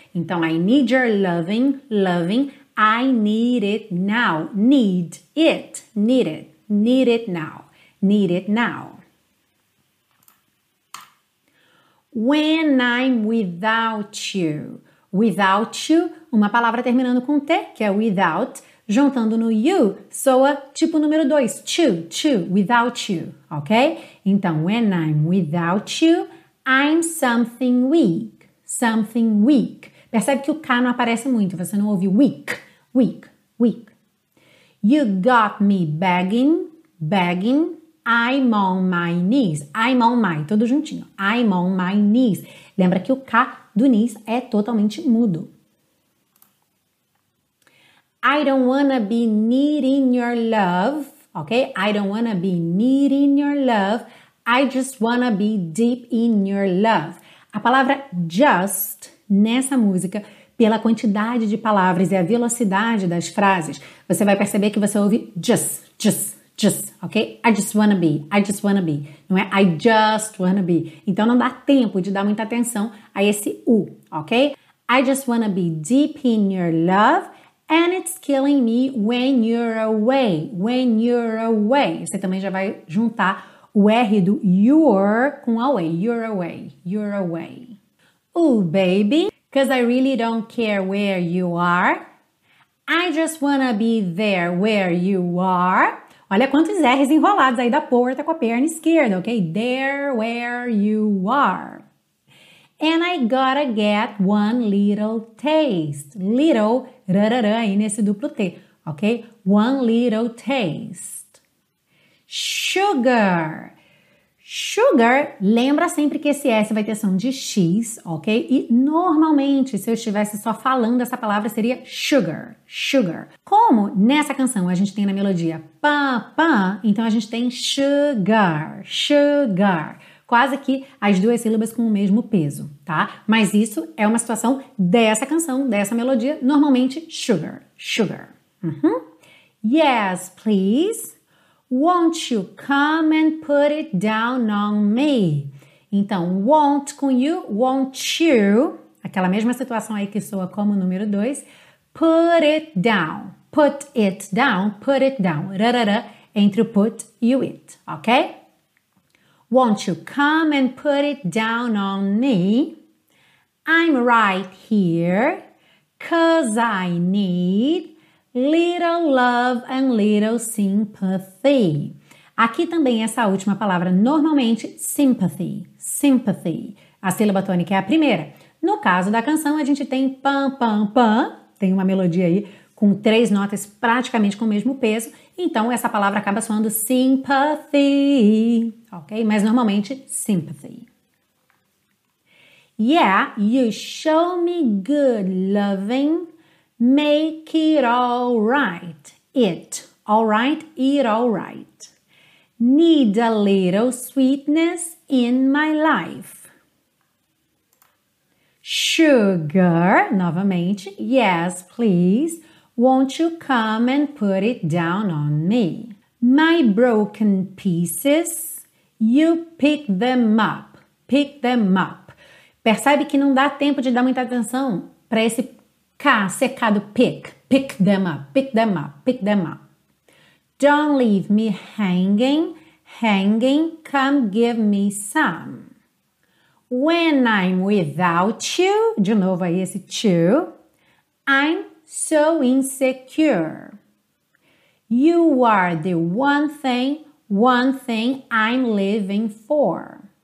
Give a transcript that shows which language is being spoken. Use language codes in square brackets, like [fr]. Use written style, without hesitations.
[en] Então, I need your loving, loving. I need it now. Need it, need it, need it now. Need it now. When I'm without you, without you, [pt] uma palavra terminando com T, que é without, juntando no you, soa tipo número 2, to, to, without you, ok? [en] Então, when I'm without you, I'm something weak, something weak. [pt] Percebe que o K não aparece muito, você não ouve weak, weak, weak. [en] You got me begging, begging. I'm on my knees, I'm on my, [pt] tudo juntinho, [en] I'm on my knees. [pt] Lembra que o K do knees é totalmente mudo. [en] I don't wanna be needing your love, ok? I don't wanna be needing your love, I just wanna be deep in your love. [pt] A palavra [en] just, [pt] nessa música, pela quantidade de palavras e a velocidade das frases, você vai perceber que você ouve just, ok? [en] I just wanna be. [pt] Não é [en] I just wanna be. [pt] Então não dá tempo de dar muita atenção a esse U, ok? [en] I just wanna be deep in your love and it's killing me when you're away, when you're away. [pt] Você também já vai juntar o R do your com away, [en] you're away, you're away. Ooh, baby, 'cause I really don't care where you are. I just wanna be there where you are. [pt] Olha quantos R's enrolados aí da porta com a perna esquerda, ok? [en] There where you are. And I gotta get one little taste. [pt] Little, rarará aí nesse duplo T, ok? [en] One little taste. Sugar. [pt] Sugar, lembra sempre que esse S vai ter som de X, ok? E normalmente, se eu estivesse só falando essa palavra, seria sugar, sugar. Como nessa canção a gente tem na melodia pá, pá, então a gente tem sugar, sugar. Quase que as duas sílabas com o mesmo peso, tá? Mas isso é uma situação dessa canção, dessa melodia, normalmente sugar, sugar. [en] Uhum. Yes, please. Won't you come and put it down on me? [pt] Então, won't com you, won't you, aquela mesma situação aí que soa como o número 2, [en] put it down, put it down, [pt] put it down, rarara, entre o put e o it, ok? [en] Won't you come and put it down on me? I'm right here, 'cause I need little love and little sympathy. [pt] Aqui também essa última palavra, normalmente sympathy, sympathy. A sílaba tônica é a primeira. No caso da canção, a gente tem pam, pam, pam. Tem uma melodia aí com três notas praticamente com o mesmo peso. Então, essa palavra acaba soando sympathy, ok? Mas normalmente sympathy. [en] Yeah, you show me good loving. Make it all right, it, all right, it all right. Need a little sweetness in my life. Sugar, novamente, yes, please. Won't you come and put it down on me? My broken pieces, you pick them up, pick them up. [pt] Percebe que não dá tempo de dar muita atenção para esse K, secado, pick, [en] pick them up, pick them up, [pt] pick them up. [en] Don't leave me hanging, hanging, come give me some. When I'm without you, [pt] de novo aí esse [en] to, I'm so insecure. You are the one thing I'm living for.